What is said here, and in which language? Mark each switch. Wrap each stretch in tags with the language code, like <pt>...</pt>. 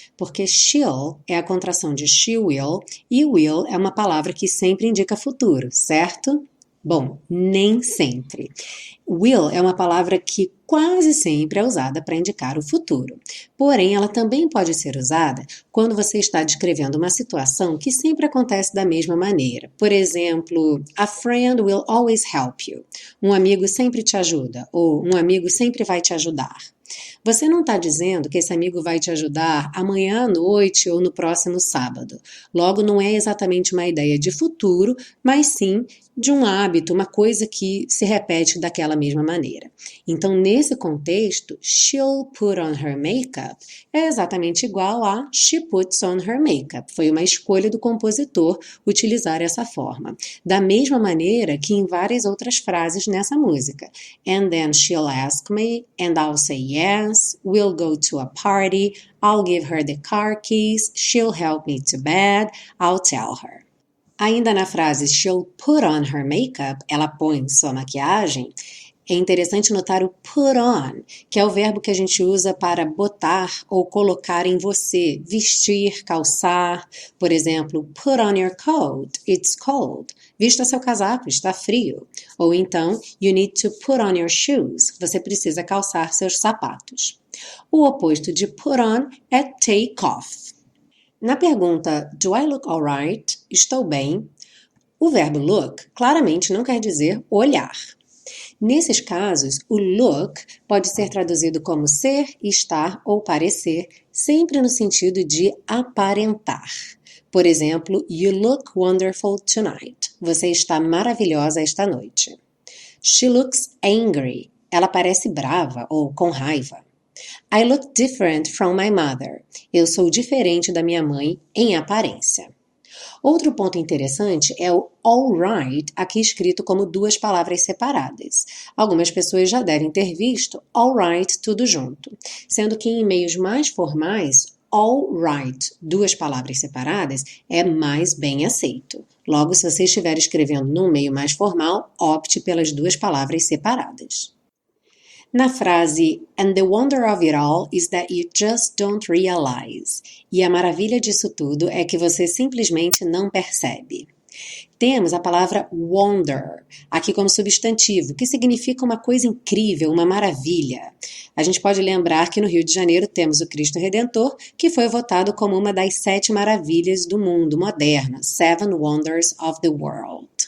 <pt>Porque she'll é a contração de she will e will é uma palavra que sempre indica futuro, certo? Bom, nem sempre. Will é uma palavra que quase sempre é usada para indicar o futuro. Porém, ela também pode ser usada quando você está descrevendo uma situação que sempre acontece da mesma maneira. Por exemplo,</pt> <en>a friend will always help you.</en> <pt>Um amigo sempre te ajuda, ou um amigo sempre vai te ajudar. Você não está dizendo que esse amigo vai te ajudar amanhã à noite ou no próximo sábado. Logo, não é exatamente uma ideia de futuro, mas sim de um hábito, uma coisa que se repete daquela mesma maneira. Então, nesse contexto,</pt> <en>she'll put on her makeup</en> <pt>é exatamente igual a</pt> <en>she puts on her makeup.</en> <pt>Foi uma escolha do compositor utilizar essa forma. Da mesma maneira que em várias outras frases nessa música.</pt> <en>And then she'll ask me, and I'll say yes, we'll go to a party, I'll give her the car keys, she'll help me to bed, I'll tell her.</en> <pt>Ainda na frase</pt> <en>she'll put on her makeup,</en> <pt>ela põe sua maquiagem, é interessante notar o put on, que é o verbo que a gente usa para botar ou colocar em você, vestir, calçar. Por exemplo,</pt> <en>put on your coat, it's cold.</en> <pt>Vista seu casaco, está frio. Ou então,</pt> <en>you need to put on your shoes,</en> <pt>você precisa calçar seus sapatos. O oposto de put on é take off. Na pergunta,</pt> <en>do I look alright?</en> <pt>Estou bem. O verbo look claramente não quer dizer olhar. Nesses casos, o look pode ser traduzido como ser, estar ou parecer, sempre no sentido de aparentar. Por exemplo,</pt> <en>you look wonderful tonight.</en> <pt>Você está maravilhosa esta noite.</pt> <en>She looks angry.</en> <pt>Ela parece brava ou com raiva.</pt> <en>I look different from my mother.</en> <pt>Eu sou diferente da minha mãe em aparência. Outro ponto interessante é o all right, aqui escrito como duas palavras separadas. Algumas pessoas já devem ter visto all right tudo junto, sendo que em meios mais formais, all right, duas palavras separadas, é mais bem aceito. Logo, se você estiver escrevendo num meio mais formal, opte pelas duas palavras separadas. Na frase,</pt> <en>and the wonder of it all is that you just don't realize.</en> <pt>E a maravilha disso tudo é que você simplesmente não percebe. Temos a palavra wonder, aqui como substantivo, que significa uma coisa incrível, uma maravilha. A gente pode lembrar que no Rio de Janeiro temos o Cristo Redentor, que foi votado como uma das sete maravilhas do mundo moderno, Seven Wonders of the World.</pt>